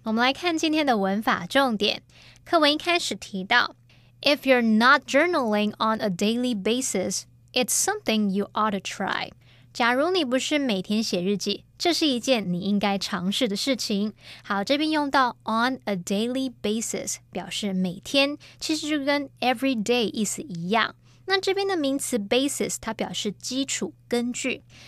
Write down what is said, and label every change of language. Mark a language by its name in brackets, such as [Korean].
[Chinese] 我们来看今天的文法重点。课文一开始提到 [English] If you're not journaling on a daily basis, it's something you ought to try. [Chinese] 假如你不是每天写日记，这是一件你应该尝试的事情。好，这边用到 on a daily basis 表示每天，其实就跟 every day 意思一样。那这边的名词 basis 它表示基础、根据。